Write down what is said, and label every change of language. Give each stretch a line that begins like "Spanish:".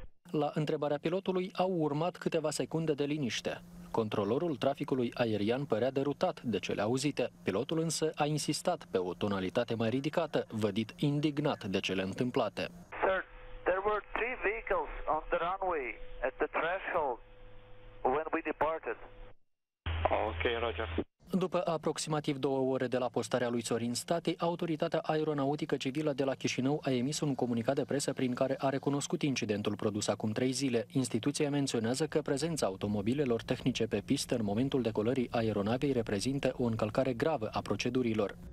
Romanian: La întrebarea pilotului au urmat câteva secunde de liniște. Controlorul traficului aerian părea derutat de cele auzite. Pilotul însă a insistat pe o tonalitate mai ridicată, vădit indignat de cele întâmplate.
English: Sir, there were 3 vehicles on the runway at the threshold when we departed. Okay, Roger.
Romanian: După aproximativ 2 ore de la postarea lui Sorin Stati, Autoritatea Aeronautică Civilă de la Chișinău a emis un comunicat de presă prin care a recunoscut incidentul produs acum 3 zile. Instituția menționează că prezența automobilelor tehnice pe pistă în momentul decolării aeronavei reprezintă o încălcare gravă a procedurilor.